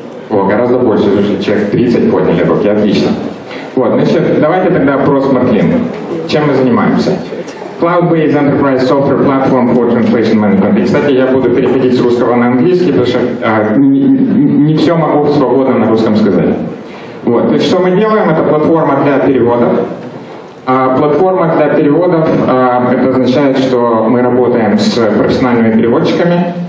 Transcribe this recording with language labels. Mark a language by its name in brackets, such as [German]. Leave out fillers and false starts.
[Russian] О, гораздо больше, уже человек 30 подняли руки, отлично. Вот, значит, давайте тогда про SmartLink. Чем мы занимаемся? [English] Cloud-based enterprise software platform for translation management. [Russian] Кстати, я буду переходить с русского на английский, потому что не все могу свободно на русском сказать. Вот, то есть что мы делаем, это платформа для переводов. Платформа для переводов, это означает, что мы работаем с профессиональными переводчиками.